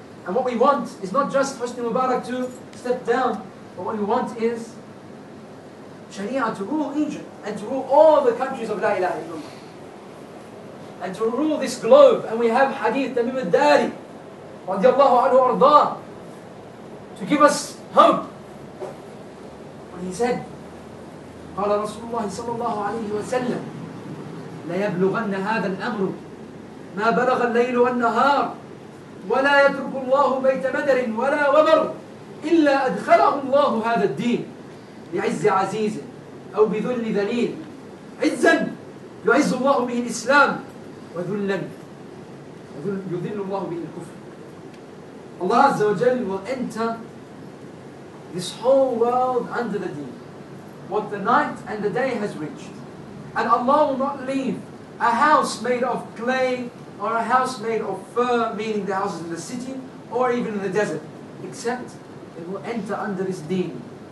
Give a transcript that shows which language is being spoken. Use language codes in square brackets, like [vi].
[en] And what we want is not just Hosni Mubarak to step down, but what we want is Sharia to rule Egypt and to rule all the countries of La ilaha illallah. And to rule this globe. And we have hadith Tamim al-Dari radiallahu anhu arda to give us hope. When he said, [ar] قال رسول الله صلى الله عليه وسلم ليبلغن هذا الأمر ما بلغ الليل والنهار ولا يترك الله بيت مدر ولا وبر إلا أدخله الله هذا الدين بعز عزيز أو بذل ذليل عزا يعز الله به الإسلام وذلا يذل الله به الكفر. الله عز وجل [en] will enter this whole world under the deen. What the night and the day has reached. And Allah will not leave a house made of clay or a house made of fur, meaning the houses in the city or even in the desert, except it will enter under this deen.